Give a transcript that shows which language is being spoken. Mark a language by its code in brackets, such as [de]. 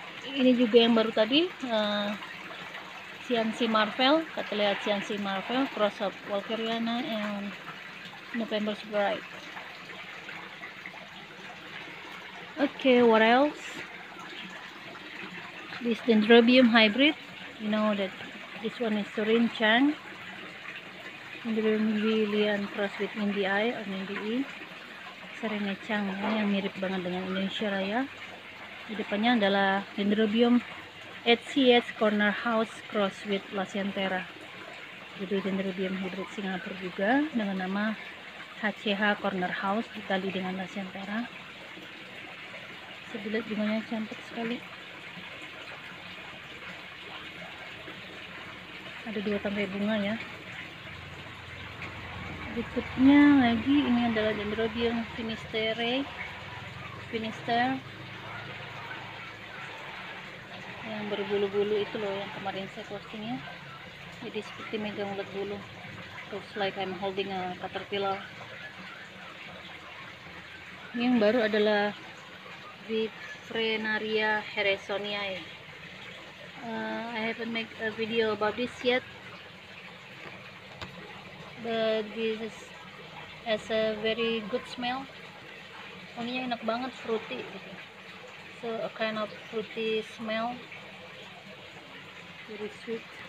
[id] Ini juga yang baru tadi, Cyanci Marvel, Cattleya Cyanci Marvel cross of Walkeriana and November Sprite. [en] Okay, what else? this Dendrobium hybrid. You know that this one is Surin Chang. Dendrobium Lilian cross with Indii or Indii. [id] Surin Chang ya, yang mirip banget dengan Indonesia Raya. Di depannya adalah Dendrobium HCS Corner House [en] cross with [id] Lasiantera. Jadi Dendrobium hybrid Singapura juga dengan nama HCH Corner House ditali dengan Lasiantera. Sebilet bunganya cantik sekali. Ada dua tangkai bunga ya. Berikutnya lagi ini adalah Dendrobium Finisterre. Finisterre yang berbulu-bulu itu loh yang kemarin saya postingnya. Jadi seperti megang ulat bulu. [en] Looks like I'm holding a caterpillar. [id] Ini yang baru adalah Vifrenaria harrisoniae. [en] I haven't make a video about this yet, but this is has a very good smell. [id] Wanginya enak banget, fruity gitu. [en] So a kind of fruity smell, very sweet.